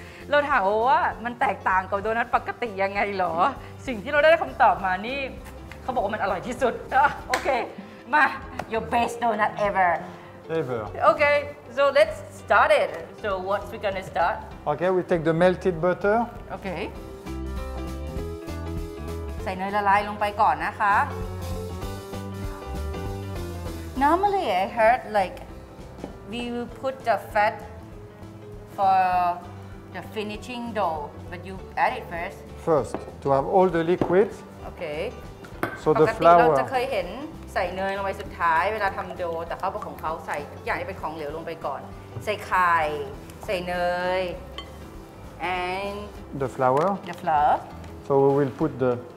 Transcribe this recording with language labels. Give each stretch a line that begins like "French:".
Thai: เราถามว่ามันแตกต่างกับโดนัทปกติยังไงหรอสิ่งที่เราได้คำตอบมานี่เขาบอกว่ามันอร่อยที่สุดโอเคมา
English: your best donut ever ever okay so let's start it so what's we gonna start okay we take the melted butter okay
Thai: ใส่เนยละลายลงไปก่อนนะคะ
English: normally I heard like we will put the fat for the finishing dough but you add it first to have all the liquid okay so the flour
Thai: เราจะเคยเห็นใส่เนยลงไปสุดท้ายเวลาทำโดแต่เขาบอกของเขาใส่ทุกอย่างที่เป็นของเหลวลงไปก่อนใส่ไข่ใส่เนย and
English: the flour so we will put the